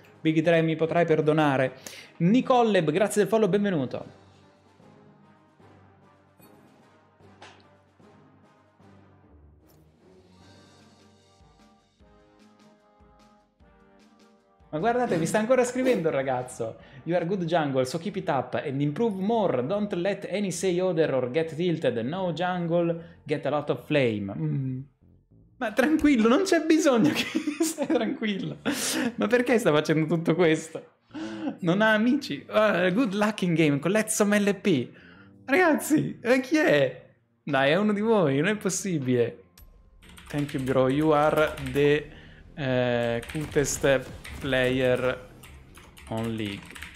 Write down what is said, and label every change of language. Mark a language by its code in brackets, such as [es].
[it] Big Dre, mi potrai perdonare. Nicolleb, grazie del follow, benvenuto. Ma guardate, mi sta ancora scrivendo il ragazzo. [en] You are good jungle, so keep it up and improve more. Don't let any say other or get tilted. No jungle, get a lot of flame. [it] Ma tranquillo, non c'è bisogno che stai tranquillo. Ma perché sta facendo tutto questo? Non ha amici? [en] Good luck in game, collect some LP. [it] Ragazzi, chi è? Dai, è uno di voi, non è possibile. [en] Thank you bro, you are the cutest player on League.